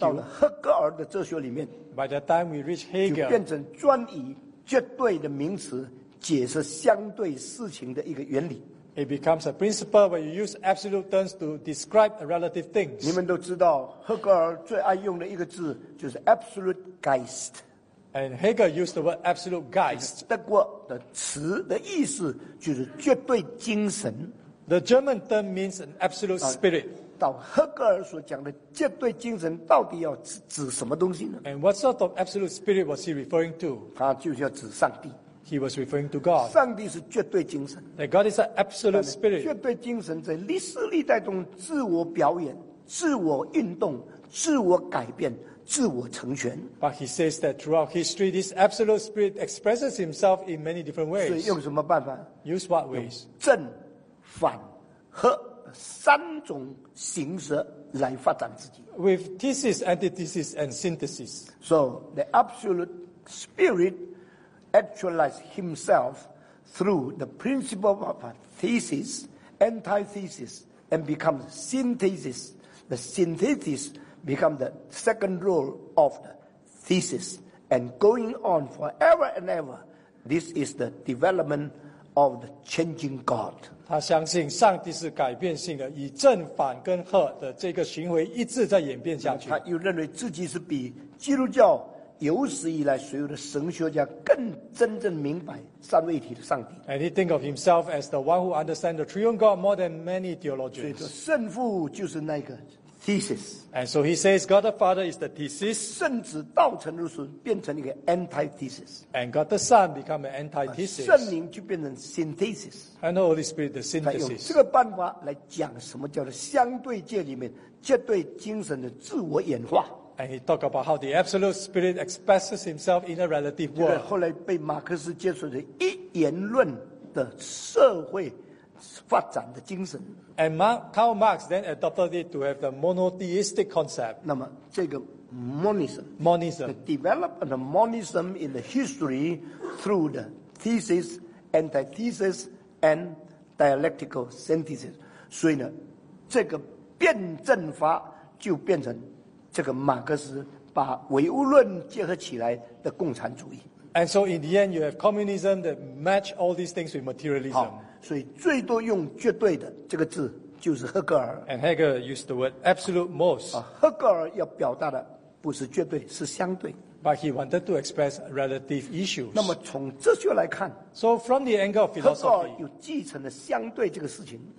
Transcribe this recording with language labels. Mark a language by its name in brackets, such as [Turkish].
[Chinese] 到了赫格尔的哲学里面 [English] ，By the time we reach Hegel, [Chinese] 就变成专以绝对的名词解释相对事情的一个原理。 [English] It becomes a principle where you use absolute terms to describe relative things. [Chinese] 你们都知道，赫格尔最爱用的一个字就是 absolute Geist. [English] And Hegel used the word absolute Geist. [Chinese] 德国的词的意思就是绝对精神。 [English] The German term means an absolute spirit. [Chinese] 到赫格尔所讲的绝对精神到底要指什么东西呢 [English] ？And what sort of absolute spirit was he referring to? [Chinese] 他就是要指上帝。 [English] He was referring to God. [Chinese] 上帝是绝对精神。 [English] That God is an absolute spirit. [Chinese] 绝对精神在历史历代中自我表演、自我运动、自我改变、自我成全。 [English] But he says that throughout history, this absolute spirit expresses himself in many different ways. [Chinese] 所以用什么办法 [English] ？Use what ways? [Chinese] 正、反、合三种形式来发展自己。 [English] With thesis, antithesis, and synthesis. So the absolute spirit. Actualize himself through the principle of a thesis, antithesis, and become synthesis. The synthesis become the second rule of the thesis, and going on forever and ever. This is the development of the changing God. [Chinese] 他相信上帝是改变性的，以正反跟合的这个循环一直在演变下去。他又认为自己是比基督教。有史以来所有的神学家更真正明白三位一体的上帝。 [English] And he think of himself as the one who understands the triune God more than many theologians. [Chinese] 所以说圣父就是那个 thesis. [English] And so he says God the Father is the thesis. [Chinese] 圣子道成肉身变成一个 antithesis. [English] And God the Son become an antithesis. [Chinese] 圣灵就变成 synthesis. [English] And the Holy Spirit the synthesis. [Chinese] 他用这个办法来讲什么叫做相对界里面绝对精神的自我演化。 [English] And he talked about how the absolute spirit expresses himself in a relative world. [Chinese] 后来被马克思接触的一元论的社会发展的精神。 [English] And Karl Marx then adopted it to have the monotheistic concept. [Chinese] 那么这个 monism, [English] monism, the development of monism in the history through the thesis, antithesis, and dialectical synthesis. [Chinese] 所以呢，这个辩证法就变成。这个马克思把唯物论结合起来的共产主义。 [English] And so in the end, you have communism that match all these things with materialism. [Chinese] 好，所以最多用绝对的这个字就是赫格尔。 [English] And Hegel used the word absolute most. [Chinese] 赫格尔要表达的不是绝对，是相对。 [English] But he wanted to express relative issues. [Chinese] 那么从哲学来看 [English] ，So from the angle of philosophy, [Chinese] 赫格尔又继承了相对这个事情。